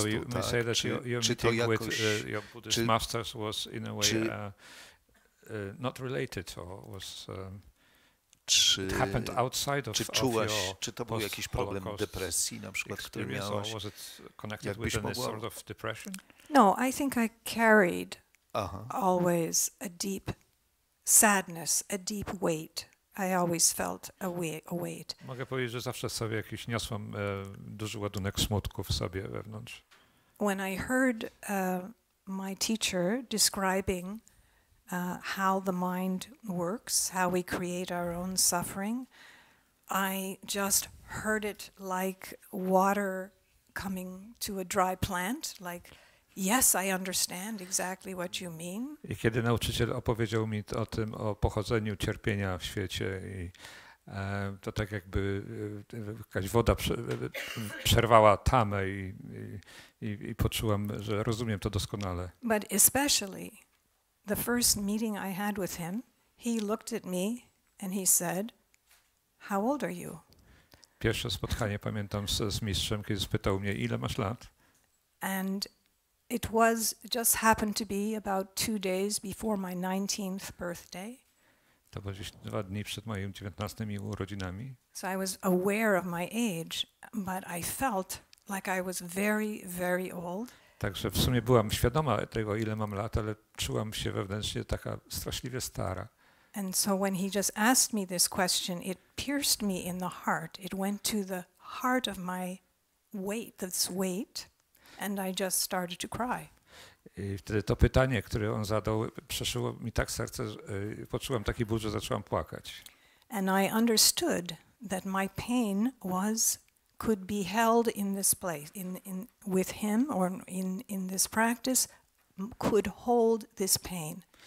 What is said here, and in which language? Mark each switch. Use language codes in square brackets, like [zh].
[en] So you may say that your Buddhist master was in a way not related or was it happened outside of your post-holocaust experience. [pl] Czy to był jakiś problem depresji, na przykład, który miałaś? [en] Or was it connected with any sort of depression? No, I think I carried always a deep sadness, a deep weight. I always felt a weight. [pl] Mogę powiedzieć, że zawsze sobie jakiś niosłam duży ładunek smutku w sobie wewnątrz. [en] When I heard my teacher describing how the mind works, how we create our own suffering, I just heard it like water coming to a dry plant, like yes, I understand exactly what you mean. [pl] I kiedy nauczyciel opowiedział mi o tym, o pochodzeniu cierpienia w świecie, i to tak jakby jakaś woda przerwała tamę i poczułam, że rozumiem to doskonale. [en] But especially the first meeting I had with him, he looked at me and he said, how old are you? [pl] Pierwsze spotkanie pamiętam z mistrzem, kiedy spytał mnie, ile masz lat? [en] And it was just happened to be about 2 days before my 19th birthday. [pl] To było 2 dni przed moimi 19 urodzinami. [en] So I was aware of my age, but I felt like I was very, very old. [pl] Także w sumie byłam świadoma tego, ile mam lat, ale czułam się wewnętrznie taka straszliwie stara. [en] And so when he just asked me this question, it pierced me in the heart. It went to the heart of my weight, this weight, and I just started to cry. [pl] I wtedy to pytanie, które on zadał, przeszyło mi tak serce, poczułam taki ból, że zaczęłam płakać. [en] And I understood that my pain was could be held in this place, in with him or in this practice, could hold this pain.